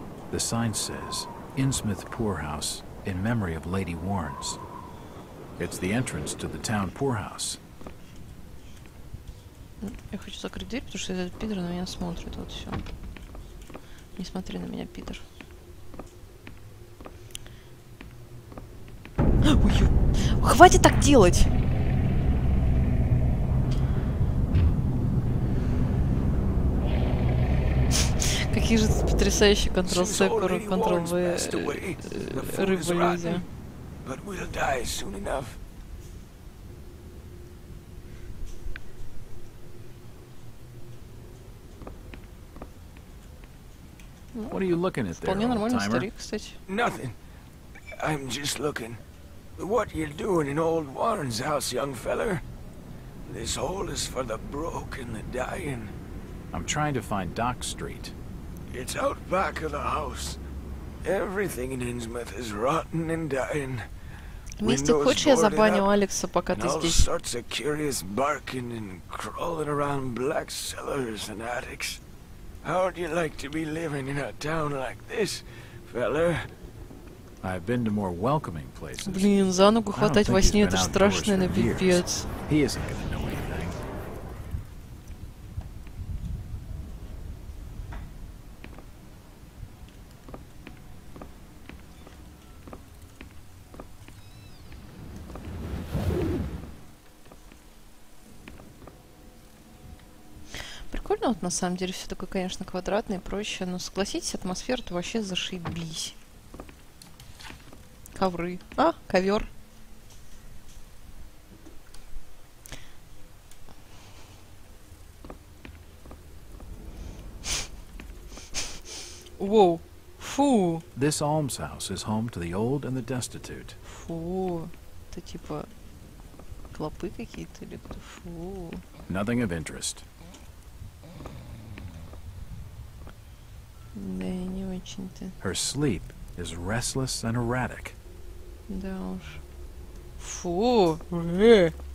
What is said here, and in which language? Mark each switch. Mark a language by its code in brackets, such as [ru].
[en] The sign says, Innsmouth Poorhouse, in memory of Lady Warrens. It's the entrance to the town poorhouse. [ru] Я хочу закрыть дверь, потому что этот Питер на меня смотрит. Вот все. Не смотри на меня, Питер. Ой-ой. Хватит так делать! Какие же потрясающие Ctrl C, Ctrl V, рыба люди. [en] What are you looking at there, old-timer? Nothing. I'm just looking. What you doing in old Warren's house, young feller? This hole is for the broke and the dying. I'm trying to find Dock Street. It's out back of the house. Everything in Innsmouth is rotten and dying. Mr. [ru] Kutch, я забаню Алекса, пока ты здесь. [en] All sorts of curious barking and crawling around black cellars and attics. How would you like to be living in a town like this, fella? I've been to more welcoming places. [ru] Блин, за ногу хватать во сне — это страшное, на пипец. [en] He isn't gonna know anything. [ru] Прикольно, вот на самом деле все такое, конечно, квадратное и проще, но согласитесь, атмосфера-то вообще зашибись. Ковры. А, ковер. Воу. Фу. [en] This almshouse is home to the old and the destitute. [ru] Фу. Это типа клопы какие-то или кто? Фу. [en] Nothing of interest. [ru] Да, не очень-то. [en] Her sleep is restless and erratic. [ru] Да уж. Фу! Ой.